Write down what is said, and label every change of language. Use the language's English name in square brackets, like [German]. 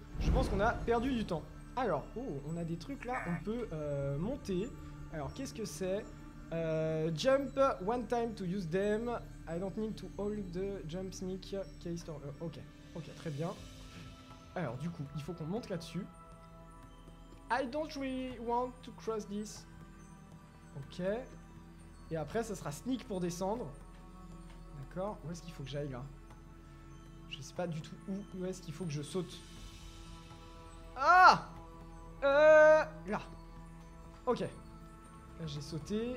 [French] Je pense qu'on a perdu du temps. Alors, oh, on a des trucs là, on peut monter. Alors qu'est-ce que c'est? [English] Jump one time to use them, I don't need to hold the jump sneak case or, ok, ok, [French] très bien. Alors du coup, il faut qu'on monte là-dessus. [English] I don't really want to cross this. [French] Ok, et après ça sera sneak pour descendre. D'accord, où est-ce qu'il faut que j'aille là? Je sais pas du tout où est-ce qu'il faut que je saute. Ah! Là. Ok, là j'ai sauté.